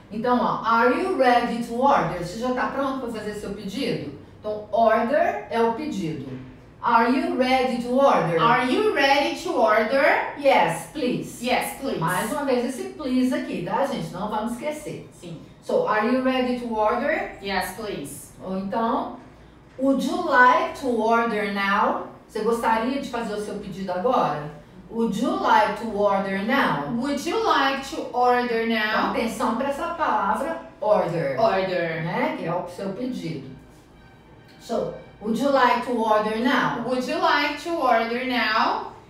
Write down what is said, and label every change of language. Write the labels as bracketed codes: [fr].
[en] Então, ó, are you ready to order? [pt] Você já está pronto para fazer seu pedido? Então, order é o pedido. [en] Are you ready to order? Are you ready to order? Yes, please. Yes, please. [pt] Mais uma vez esse please aqui, tá, gente? Não vamos esquecer. Sim. [en] So, are you ready to order? Yes, please. [pt] Ou então, [en] would you like to order now? [pt] Você gostaria de fazer o seu pedido agora? [en] Would you like to order now? Would you like to order now? [pt] Então, atenção para essa palavra, order. [en] Order. [pt] Né? Que é o seu pedido. [en] So, would you like to order now? Would you like to order now?